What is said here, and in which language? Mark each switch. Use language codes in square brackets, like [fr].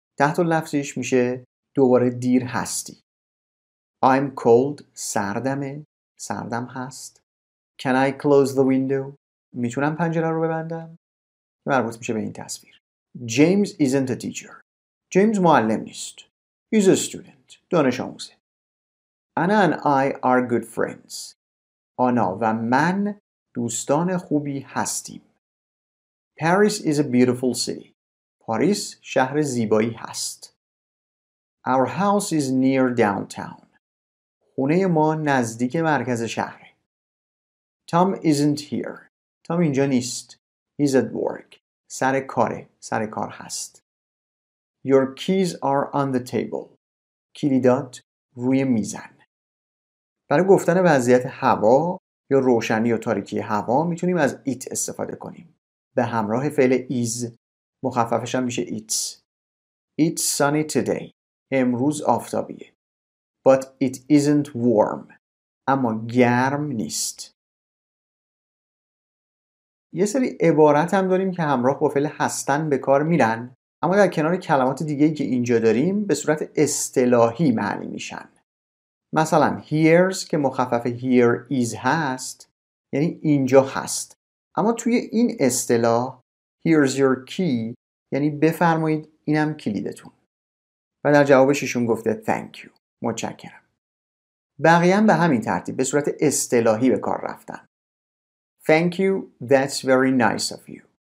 [fa] تحت لفظیش میشه دوباره دیر هستی. [en] I'm cold. [fa] سردمه. سردم هست. [en] Can I close the window? [fa] میتونم پنجره رو ببندم؟ مربوط میشه به این تصویر. [en] James isn't a teacher. [fa] James معلم نیست. [en] He's a student. [fa] دانش آموزه. [en] Anna and I are good friends. [fa] آنا و من دوستان خوبی هستیم. [en] Paris is a beautiful city. [fa] پاریس شهر زیبایی هست. [en] Our house is near downtown. [fa] خونه ما نزدیک مرکز شهره. [en] Tom isn't here. [fa] Tom اینجا نیست. [en] He's at work. [fa] سر کاره، سر کار هست. [en] Your keys are on the table. [fa] کلیدات روی میزن. برای گفتن وضعیت هوا یا روشنی و تاریکی هوا میتونیم از it استفاده کنیم. به همراه فعل is مخففش هم میشه it's. [en] It's sunny today. [fa] امروز آفتابیه. [en] But it isn't warm. [fa] اما گرم نیست. یه سری عبارت هم داریم که همراه با فعل هستن به کار میرن اما در کنار کلمات دیگه‌ای که اینجا داریم به صورت اصطلاحی معنی میشن. مثلا here's که مخفف here is هست یعنی اینجا هست. اما توی این اصطلاح [en] here's your key [fa] یعنی بفرمایید اینم کلیدتون. و در جوابششون گفته thank you. متشکرم. بقیه هم به همین ترتیب به صورت اصطلاحی به کار رفتن. [en] Thank you, that's very nice of you.